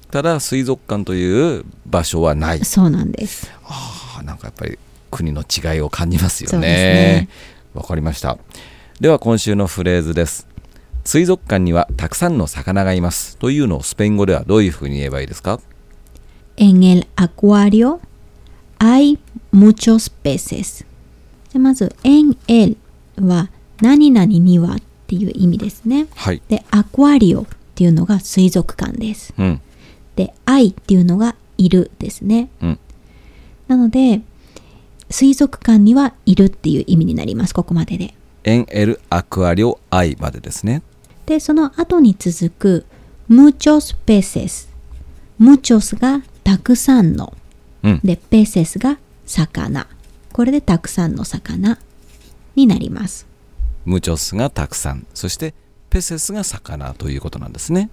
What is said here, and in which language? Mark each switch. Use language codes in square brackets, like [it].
[ja] ただ水族館という場所はない。そうなんです。あ、なんかやっぱり国の違いを感じますよね。そうですね。わかりました。では今週のフレーズです。水族館にはたくさんの魚がいますというのをスペイン語ではどういうふうに言えばいいですか？ [es] En el acuario hay muchos peces。 [ja] じゃ、まず [es] En el [ja] は何々にはっていう意味ですね、はい、で、アクアリオっていうのが水族館です、うん、で、愛っていうのがいるですね、うん、なので水族館にはいるっていう意味になります。ここまでで [es] En el acuario hay までですね。 [ja] で、その後に続く [es] muchos peces、 muchos [ja] がたくさんの、うん、で、peces が魚、これでたくさんの魚になります。ムチョスがたくさん、そしてペセスが魚ということなんですね。